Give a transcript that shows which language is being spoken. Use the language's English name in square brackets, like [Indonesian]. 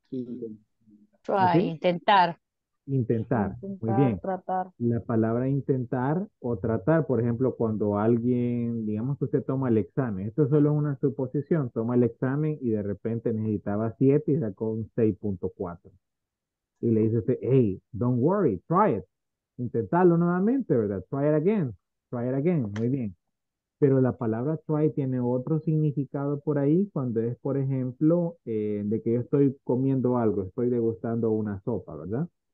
[Spanish] Try, ¿okay? Intentar. Intentar. Muy bien. Tratar. La palabra intentar o tratar, por ejemplo, cuando alguien, digamos que usted toma el examen, esto solo es una suposición, toma el examen y de repente necesitaba 7 y sacó un 6.4. Y le dice usted, [English] hey, don't worry, try it. [Spanish] Intentarlo nuevamente, ¿verdad? [English] Try it again, [Spanish] muy bien. Pero la palabra try tiene otro significado por ahí, cuando es, por ejemplo, de que yo estoy comiendo algo, estoy degustando una sopa, ¿verdad?